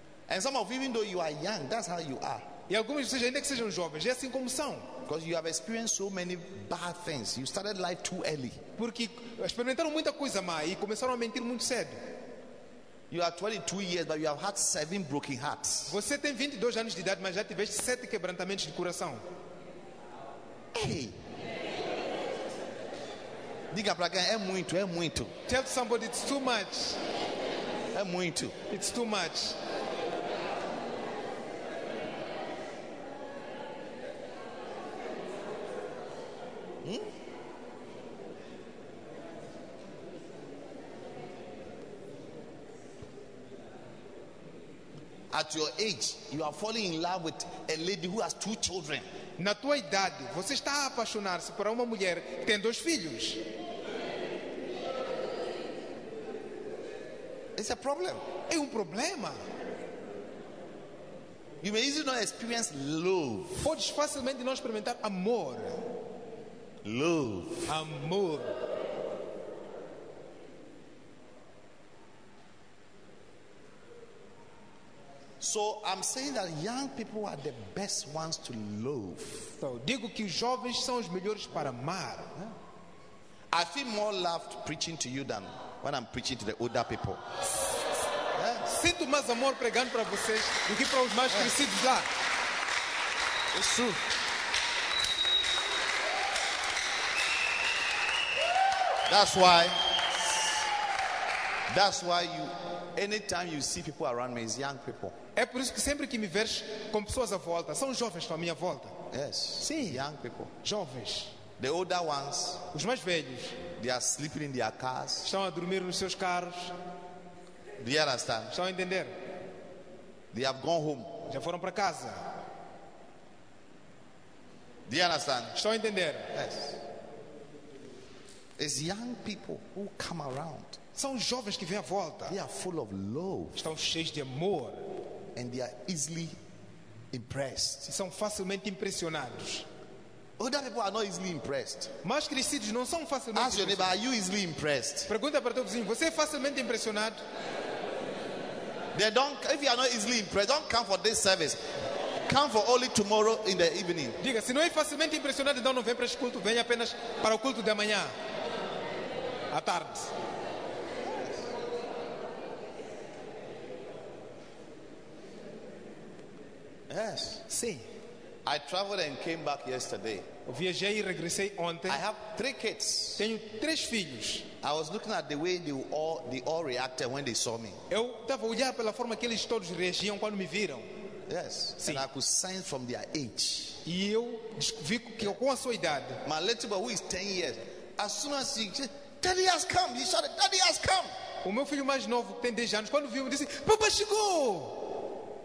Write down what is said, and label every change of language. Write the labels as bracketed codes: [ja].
[en] And some of you, even though you are young, that's how you are. [pt] E algumas de vocês, ainda que sejam jovens, é assim como são. [en] Because you have experienced so many bad things. You started life too early. [pt] Porque experimentaram muita coisa má e começaram a mentir muito cedo. [en] You are 22 years, but you have had 7 broken hearts. [pt] Você tem 22 anos de idade, mas já tiveste 7 quebrantamentos de coração. [en] Hey. [pt] Diga para quem, é muito. [en] Tell somebody it's too much. [pt] É muito. [en] It's too much. At your age, you are falling in love with a lady who has 2 children. [pt] Na tua idade, você está a apaixonar-se por uma mulher que tem 2 filhos. [en] It's a problem. [pt] É problema. [en] You may easily not experience love. [pt] Podes facilmente não experimentar amor. [en] Love. [pt] Amor. [en] So I'm saying that young people are the best ones to love. [pt] Então, digo que os jovens são os melhores para amar. [en] I feel more loved preaching to you than when I'm preaching to the older people. [pt] Sinto mais amor pregando para vocês do que para os mais crescidos lá. [en] It's true. That's why you, anytime you see people around me, it's young people. [pt] É por isso que sempre que me vejo com pessoas à volta, são jovens à minha volta. [en] Yes. [pt] Sim. [en] Young people. [pt] Jovens. [en] The older ones. [pt] Os mais velhos. [en] They are sleeping in their cars. [pt] Estão a dormir nos seus carros. [en] Do you understand? [pt] Estão a entender? [en] They have gone home. [pt] Já foram para casa. [en] Do you understand? [pt] Estão a entender? [en] Yes. It's young people who come around. [pt] São jovens que vêm à volta. [en] They are full of love. [pt] Estão cheios de amor. [en] And they are easily impressed. [pt] E são facilmente impressionados. [en] Older people are not easily impressed. [pt] Mais crescidos não são facilmente. [en] Ask your neighbor, are you easily impressed? [pt] Pergunta para teu vizinho, você é facilmente impressionado? [en] They don't. If you are not easily impressed, don't come for this service. Come for only tomorrow in the evening. [pt] Diga, se não é facilmente impressionado, então não vem para este culto. Vem apenas para o culto de amanhã. À tarde. [en] Yes. [pt] Sim. [en] I traveled and came back yesterday. [pt] Eu viajei e regressei ontem. [en] I have 3 kids. [pt] Tenho 3 filhos. [en] I was looking at the way they all reacted when they saw me. [pt] Eu estava a olhar pela forma que eles todos reagiam quando me viram. [en] Yes. [pt] Sim. [en] And I could sense from their age. [pt] E eu vi que eu, com a sua idade. [en] My little boy, who is 10 years, as soon as he said, "Daddy has come," he shouted, "Daddy has come." [pt] O meu filho mais novo, que tem 10 anos, quando viu, disse, "Papa chegou."